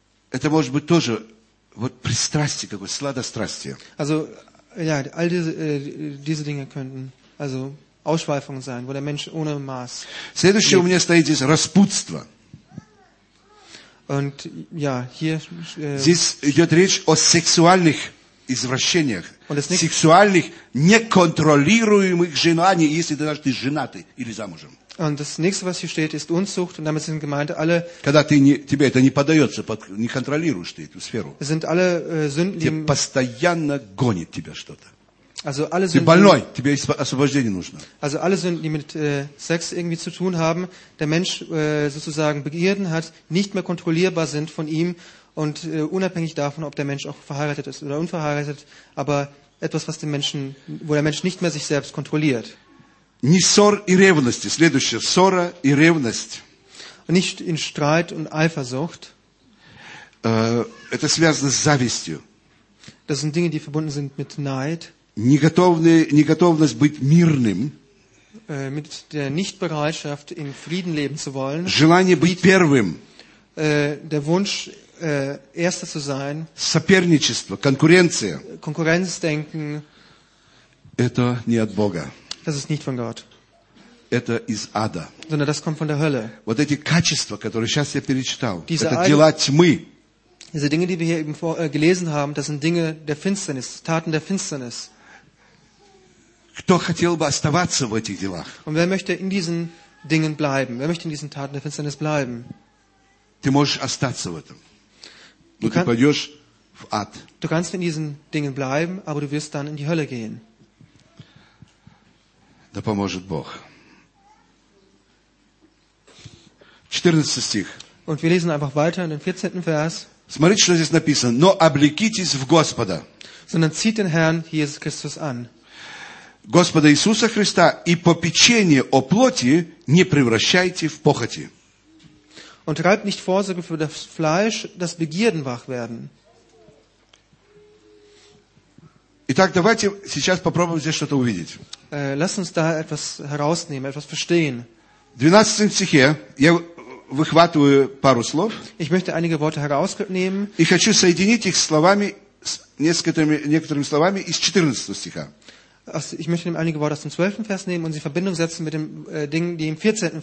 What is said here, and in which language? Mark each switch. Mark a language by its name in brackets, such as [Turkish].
[Russian] Это может быть тоже вот пристрастие какое-то, сладострастие. [German] Also ja, all diese Dinge könnten also Ausschweifung sein, wo der Mensch ohne Maß. [Russian] Следующее у меня стоит здесь распутство. [German] Und ja, hier [Russian] здесь идет речь о сексуальных извращениях, сексуальных неконтролируемых желаниях, если ты даже ты женатый или замужем. [German] Und das nächste, was hier steht, ist Unzucht, und damit sind gemeint alle. [Russian] Когда ты не, тебе это не подается, не контролируешь ты эту сферу. [German] Sind alle Sünden, die [Russian] постоянно гонит тебя что-то. [German] Also alle Sünden, [Russian] ты больной, тебе освобождение нужно. [German] Also alle Sünden, die mit Sex irgendwie zu tun haben, der Mensch sozusagen Begierden hat, nicht mehr kontrollierbar sind von ihm und unabhängig davon, ob der Mensch auch verheiratet ist oder unverheiratet, aber etwas, was den Menschen, wo der Mensch nicht mehr sich selbst kontrolliert. [Russian] Не ссор и ревности. Следующее, ссора и ревность. [German] Nicht in Streit und Eifersucht. [Russian] Это связано с завистью. [German] Das sind Dinge, die verbunden sind mit Neid. [Russian] Неготовность быть мирным. [German] Mit der Nichtbereitschaft, in Frieden leben zu wollen. [Russian] Желание быть первым. [German] Der Wunsch, Erster zu sein. [Russian] Соперничество, конкуренция. [German] Конкуренцдenken. [Russian] Это не от Бога. [German] Das ist nicht von Gott. [Russian] Это из ада. [German] Sondern das kommt von der Hölle. [Russian] Вот эти качества, которые сейчас я перечитал, [German] diese [Russian] это дела тьмы. [German] Diese Dinge, die wir hier eben gelesen haben, das sind Dinge der Finsternis, Taten der Finsternis. [Russian] Кто хотел бы оставаться в этих делах? [German] Und wer möchte in diesen Dingen bleiben? Wer möchte in diesen Taten der Finsternis bleiben? [Russian] Ты можешь остаться в этом. Но ты пойдешь в ад. [German] Du kannst in diesen Dingen bleiben, aber du wirst dann in die Hölle gehen. [Russian] Да поможет Бог. 14 стих. [German] Und wir lesen einfach weiter in den 14. Vers. [Russian] Смотрите, что здесь написано. Но облекитесь в Господа. [German] Sondern zieht den Herrn Jesus Christus an. [Russian] Господа Иисуса Христа и попечение о плоти не превращайте в похоти. [German] Und treibt nicht Vorsorge für das Fleisch, das Begierden wach werden. [Russian] Итак, давайте сейчас попробуем здесь что-то увидеть. [German] Lass uns da etwas herausnehmen, etwas verstehen. [Russian] 12 стихе я выхватываю пару слов. [German] Ich möchte einige Worte herausnehmen. [Russian] И хочу соединить их словами с некоторыми словами из 14 стиха. [German] Also ich möchte einige Worte aus dem 12. Vers nehmen und sie in Verbindung setzen mit den Dingen, die im 14.